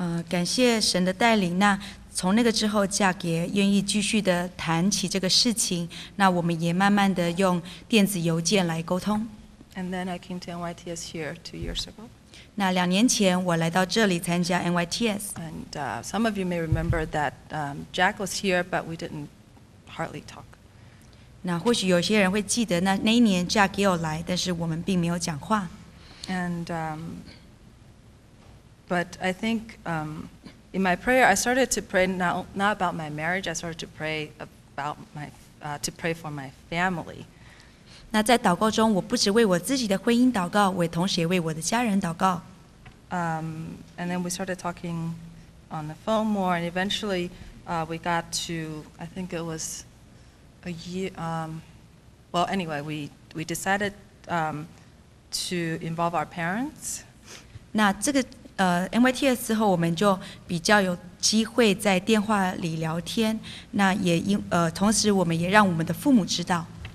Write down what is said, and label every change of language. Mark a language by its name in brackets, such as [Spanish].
[Chinese] 感谢神的带领，那从那个之后 Jack 也愿意继续的谈起这个事情，那我们也慢慢的用电子邮件来沟通。 [English] And then I came to NYTS here 2 years ago. [Chinese] 那两年前我来到这里参加 NYTS. [English] And some of you may remember that Jack was here, but we didn't hardly talk. [Chinese] 那或许有些人会记得那一年 Jack 也有来，但是我们并没有讲话。 [English] And but I think in my prayer, I started to pray not about my marriage, I started to pray about my, to pray for my family. [Chinese] 那在祷告中，我不只为我自己的婚姻祷告，我同时也为我的家人祷告。 [English] And then we started talking on the phone more, and eventually, we got to, I think it was a year. Well, anyway, we decided to involve our parents. [Chinese] 那这个NYTS 之后，我们就比较有机会在电话里聊天。那也因同时我们也让我们的父母知道。